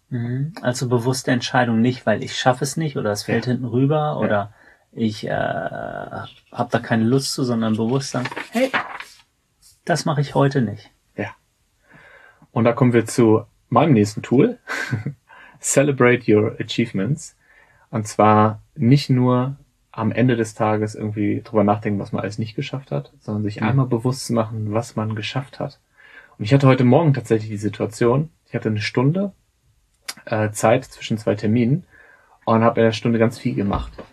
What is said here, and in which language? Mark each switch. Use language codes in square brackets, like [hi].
[de] Mhm. Also bewusste Entscheidung nicht, weil ich schaffe es nicht oder es fällt hinten rüber oder ich habe da keine Lust zu, sondern bewusst sagen, hey, das mache ich heute nicht. Ja. Und da kommen wir zu meinem nächsten Tool. [en] Celebrate your achievements. [de] Und zwar nicht nur am Ende des Tages irgendwie drüber nachdenken, was man alles nicht geschafft hat, sondern sich einmal bewusst zu machen, was man geschafft hat. Und ich hatte heute Morgen tatsächlich die Situation, ich hatte eine Stunde Zeit zwischen 2 Terminen und habe in der Stunde ganz viel gemacht.